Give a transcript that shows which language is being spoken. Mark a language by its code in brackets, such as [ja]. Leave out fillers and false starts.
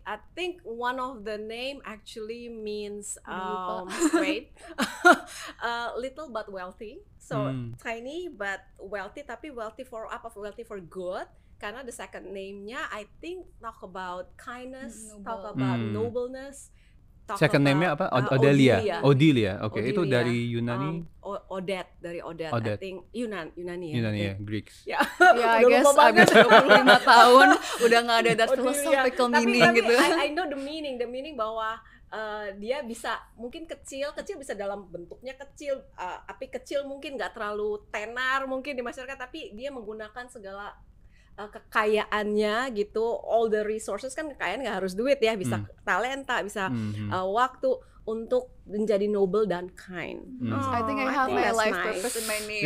[en] I think one of the name actually means great, little but wealthy. So tiny but wealthy, tapi wealthy for apa? Wealthy for good. Karena the second name-nya, I think talk about kindness, noble. Talk about nobleness. talk second about, [id] name-nya apa? Odelia. Odelia. Okay, Odelia. Itu dari Yunani. Odette, dari Odette. Odette. I think Yunani ya. Yunani ya, Greek. Ya, [en] I guess [id] abis 25 tahun udah gak ada [en] that philosophical meaning [id] gitu. [en] I know the meaning. [id] The meaning bahwa dia bisa mungkin kecil bisa dalam bentuknya kecil, tapi kecil mungkin gak terlalu tenar mungkin di masyarakat, tapi dia menggunakan segala kekayaannya gitu, [en] all the resources. [id] Kan kekayaan gak harus duit ya, bisa talenta, bisa waktu, untuk menjadi noble dan kind. [en] I think I have my life purpose in my name.